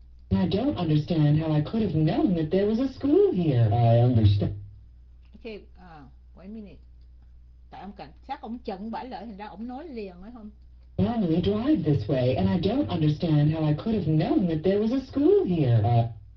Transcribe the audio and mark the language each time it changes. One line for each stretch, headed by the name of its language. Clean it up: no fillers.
English: I don't understand how I could have known that there was a school here. I understand. okay, wait a minute.
Vietnamese: Tại ông cảnh sát ông chận bả lại, thành ra ông nói liền phải không?
English: Normally drive this way, and I don't understand how I could have known that there was a school here.